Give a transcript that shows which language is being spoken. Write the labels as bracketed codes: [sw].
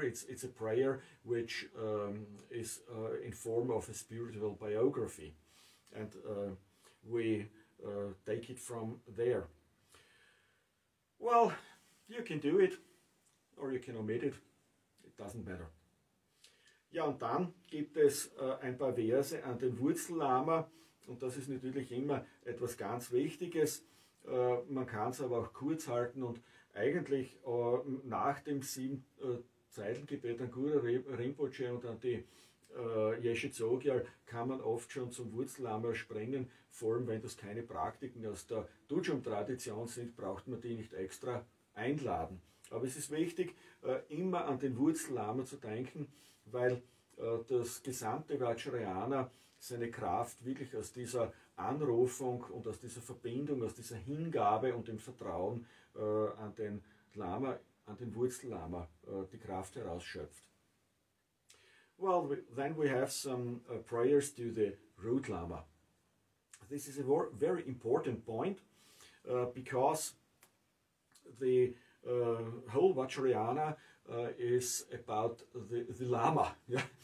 [en] It's a prayer which is in form of a spiritual biography. And we take it from there. Well, you can do it or you can omit it. It doesn't matter. [de] Ja, und dann gibt es ein paar Verse an den Wurzellama. Und das ist natürlich immer etwas ganz Wichtiges. Man kann es aber auch kurz halten und eigentlich nach dem 7-Zeilen-Gebet an Guru Rinpoche und an die Yeshe Zogyal kann man oft schon zum Wurzellama springen. Vor allem, wenn das keine Praktiken aus der Dujum-Tradition sind, braucht man die nicht extra einladen. Aber es ist wichtig, immer an den Wurzellama zu denken, weil das gesamte Vajrayana seine Kraft wirklich aus dieser Anrufung und aus dieser Verbindung, aus dieser Hingabe und dem Vertrauen an den Lama, an den Wurzellama, die Kraft herausschöpft. [en] Well, then we have some prayers to the root Lama. This is a very important point, because the whole Vajrayana is about the Lama. Yeah?